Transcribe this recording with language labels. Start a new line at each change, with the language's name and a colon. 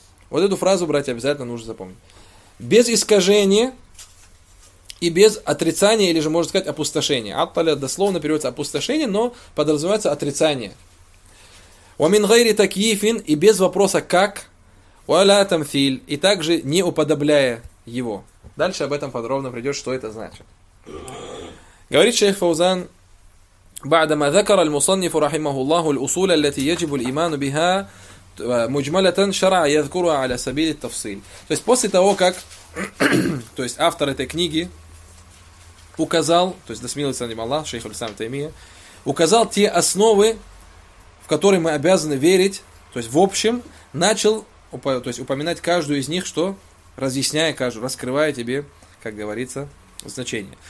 Russian: Вот эту фразу, братья, обязательно нужно запомнить. Без искажения и без отрицания, или же, можно сказать, опустошения. «Атталя» дословно переводится «опустошение», но подразумевается «отрицание». «Ва мин гайри такифин» и без вопроса «как?» «Валя тамфил», и также не уподобляя его. Дальше об этом подробно придет, что это значит. Говорит шейх Фаузан,
Arabic: بعدما ذكر المصنف رحمه الله الأصول التي يجب الإيمان بها مجملة شرع يذكرها على سبيل التفصيل.
Russian: То есть после того, как то есть автор этой книги указал, то есть да смилуется над ним Аллах, шейх ль-Ислам ибн Таймия, указал те основы, в которые мы обязаны верить, то есть в общем, начал то есть упоминать каждую из них, что разъясняя каждую, раскрывая тебе, как говорится, значение.